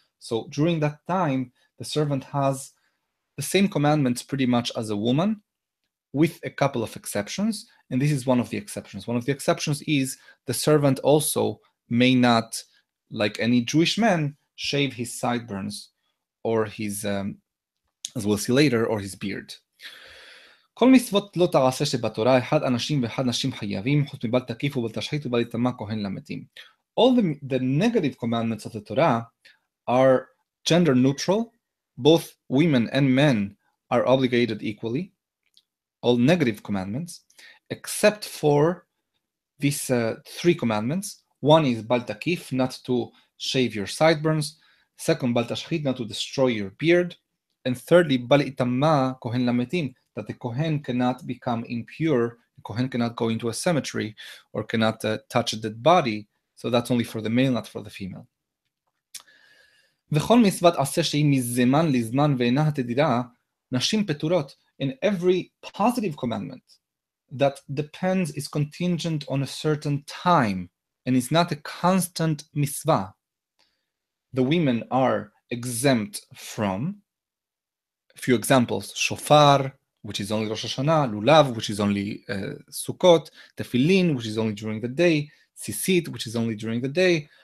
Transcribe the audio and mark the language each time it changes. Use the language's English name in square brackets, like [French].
[English] So during that time, the servant has the same commandments pretty much as a woman, with a couple of exceptions. And this is one of the exceptions. One of the exceptions is the servant also may not, like any Jewish man, shave his sideburns or his, as we'll see later, or his beard. [Hebrew] כל מצוות לא תעשה שבתורה, אחד אנשים ואחד נשים חייבים, חוץ מבל תקיף ובל תשחית ובל יטמא כהן למתים. [English] All the negative commandments of the Torah are gender neutral. Both women and men are obligated equally. All negative commandments, except for these three commandments. One is bal takif, not to shave your sideburns. Second, bal tashchit, not to destroy your beard. And thirdly, bal itama kohen lametim, that the kohen cannot become impure. The kohen cannot go into a cemetery or cannot touch a dead body. So that's only for the male, not for the female. [Hebrew] וכל מצוות עשה שהיא מזמן לזמן ואינה התדירה, נשים פטורות. [English] In every positive commandment that depends, is contingent on a certain time, and is not a constant mitzvah, the women are exempt from. A few examples: shofar, which is only Rosh Hashanah, lulav, which is only Sukkot, tefillin, which is only during the day, tzitzit, which is only during the day.